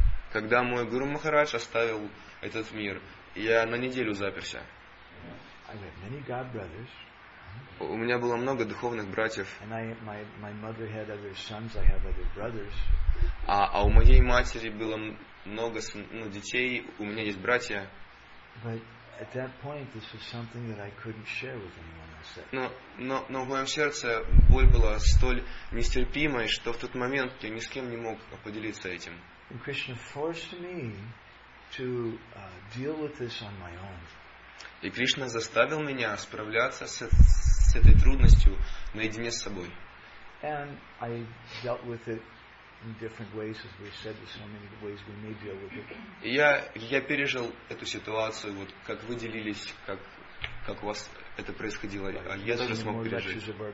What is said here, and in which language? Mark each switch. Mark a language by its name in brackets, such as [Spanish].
[Russian] Когда мой Гуру Махарадж оставил этот мир, я на неделю заперся. [English] I had many god brothers. [Russian] У меня было много духовных братьев. [English] And my mother had other sons, I have other brothers. [Russian] А у моей матери было много детей, у меня есть братья. [English] But at that point this was something that I couldn't share with anyone. [Russian] Но в моем сердце боль была столь нестерпимой, что в тот момент я ни с кем не мог поделиться этим. [English] And Krishna forced me to deal with this on my own. [Russian] И Кришна заставил меня справляться с этой трудностью наедине с собой. [English] And I dealt with it in different ways, as we said, there's so many ways we may deal with it. [Russian] Я пережил эту ситуацию, вот как вы делились, как у вас это происходило, я даже смог пережить.